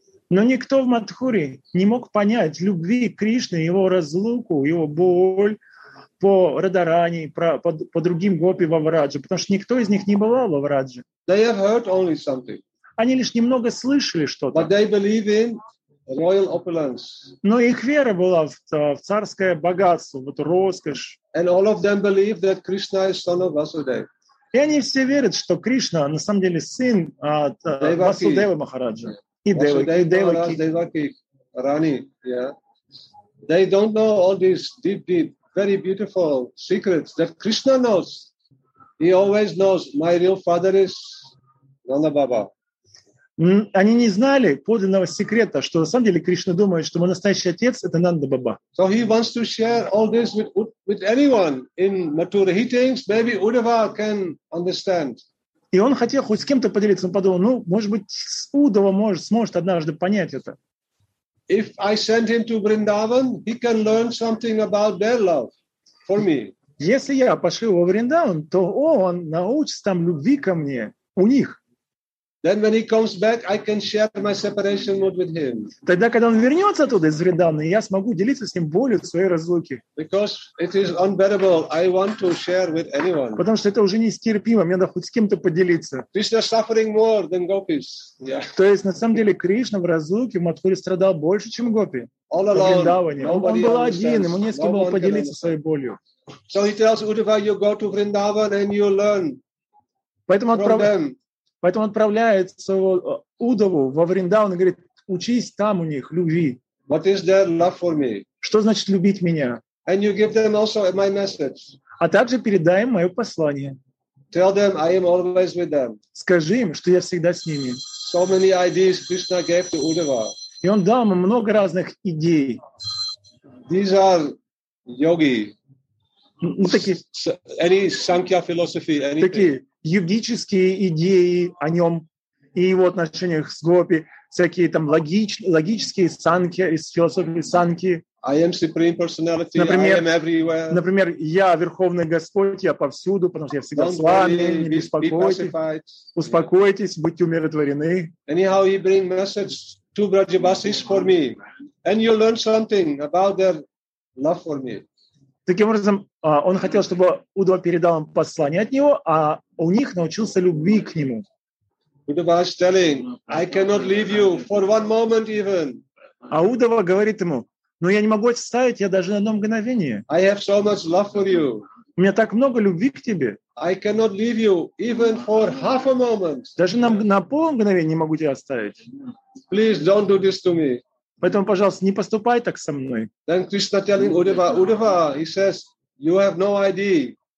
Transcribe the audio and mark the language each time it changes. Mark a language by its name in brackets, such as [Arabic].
[Russian] Но никто в Матхуре не мог понять любви Кришны, его разлуку, его боль по Радарани, по другим гопи во Врадже, потому что никто из них не бывал во Врадже. [English] They have heard only something. [Russian] Они лишь немного слышали что-то. [English] But they believe in royal opulence. [Russian] Но их вера была в царское богатство, в эту роскошь. [English] And all of them believe that Krishna is son of Vasudev. [Russian] И они все верят, что Кришна на самом деле сын от Васудевы Махараджа. И Деваки, Рани, yeah. [English] They don't know all these deep, very beautiful secrets that Krishna knows. He always knows my real father is Nanda Baba. [Russian] Они не знали подлинного секрета, что на самом деле Кришна думает, что мой настоящий отец это Нанда Баба. [English] So he wants to share all this with anyone in Mathura. He thinks maybe Uddhava can understand. [Russian] И он хотел хоть с кем-то поделиться, он подумал, ну, может быть, с Удова сможет однажды понять это. [English] If I send him to Vrindavan, he can learn something about their love for me. [Russian] Если я пошлю его в Вриндаван, то он научится там любви ко мне у них. [English] Then when he comes back, I can share my separation mood with him. [Russian] Тогда, когда он вернется оттуда из Вриндавана, я смогу делиться с ним болью своей разлуки. [English] Because it is unbearable. I want to share with anyone. [Russian] Потому что это уже нестерпимо. Мне надо хоть с кем-то поделиться. [English] Krishna suffering more than gopis. Yeah. [Russian] То есть, на самом деле, Кришна в разлуке в Матхуре страдал больше, чем гопи. [English] All alone. Вриндаване. [Russian] Он был один, ему не с кем было поделиться своей болью. [English] So he tells Uddhava, you go to Vrindavan and you learn from them. [Russian] Поэтому отправляет своего Удову во Вриндаван и говорит, учись там у них любви. [English] What is their love for me? [Russian] Что значит любить меня? [English] And you give them also my message. [Russian] А также передай им мое послание. [English] Tell them I am always with them. [Russian] Скажи им, что я всегда с ними. [English] So many ideas Krishna gave to Uddhava. [Russian] И он дал ему много разных идей. [English] These are yogi. [Russian] Ну, такие. [English] Any Sankhya philosophy, anything. [Russian] Такие. Йогические идеи о нем и его отношениях с гопи, всякие там логические санки из философии санки. [English] I am supreme personality. [Russian] Например, [English] I am everywhere. [Russian] Например, я верховный господь, я повсюду, потому что я всегда [English] Don't [Russian] с вами. [English] Worry, [Russian] не беспокойтесь. Успокойтесь, yeah. Будьте умиротворены. [English] Anyhow, he bring message to Vrajavasis for me, and you learn something about their love for me. [Russian] Таким образом, он хотел, чтобы Удва передал им послание от него, а у них научился любви к нему. [English] Удва is telling, I cannot leave you for one moment even. [Russian] А Удва говорит ему, ну я не могу оставить тебя даже на одно мгновение. [English] I have so much love for you. [Russian] У меня так много любви к тебе. [English] I cannot leave you even for half a moment. [Russian] Даже на пол мгновения не могу тебя оставить. [English] Please don't do this to me. [Russian] Поэтому, пожалуйста, не поступай так со мной. [English] Then Krishna telling Uddhava, Uddhava, he says, you have no idea.